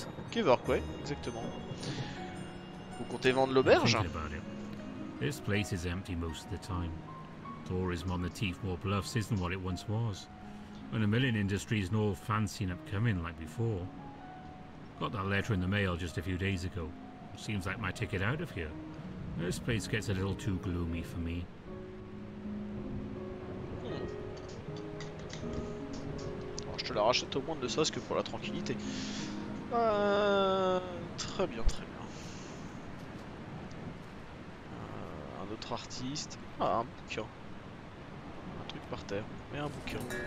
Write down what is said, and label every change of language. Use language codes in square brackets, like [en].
[fr] Kevork, ouais, exactement. Vous comptez vendre l'auberge? [en] This place is empty most of the time. tourism on the Teethmore Bluffs isn't what it once was. And the milling industry is no fancy and upcoming like before. Got that letter in the mail just a few days ago. Seems like my ticket out of here. This place gets a little too gloomy for me. [fr] Alors, je te la rachète au moins de ça, parce que pour la tranquillité. Très bien, très bien. Un autre artiste. Ah, un bouquin. Un truc par terre. Mais un bouquin.